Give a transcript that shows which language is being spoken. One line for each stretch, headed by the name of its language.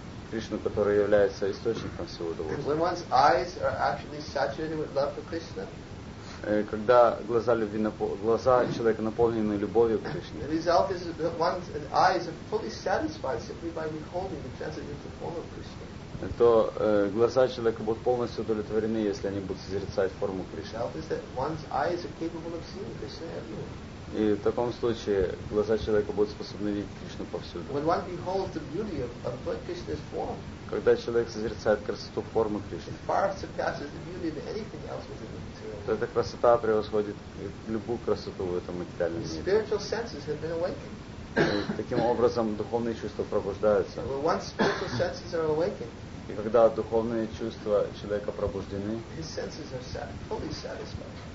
Russian: Кришну, который является источником своего удовольствия.
English: When one's eyes are actually saturated with love for Krishna.
Russian: Когда глаза любви, глаза человека наполнены любовью к Кришне.
English: The result is that one's eyes are fully satisfied simply by beholding the transcendental form of Krishna.
Russian: То глаза человека будут полностью удовлетворены, если они будут созерцать форму Кришны.
English: The result is that one's eyes are capable of seeing Krishna everywhere.
Russian: И в таком случае глаза человека будут способны видеть Кришну повсюду.
English: When one beholds the beauty of Lord Krishna's form.
Russian: Когда человек созерцает красоту формы Кришны,
English: far surpasses the beauty of anything else within the material.
Russian: То эта красота превосходит любую красоту в этом материальном мире.
English: Spiritual senses have been awakened.
Russian: Таким образом, духовные чувства пробуждаются.
English: Well, once spiritual senses are awakened,
Russian: и когда духовные чувства человека пробуждены,
English: his senses are fully satisfied.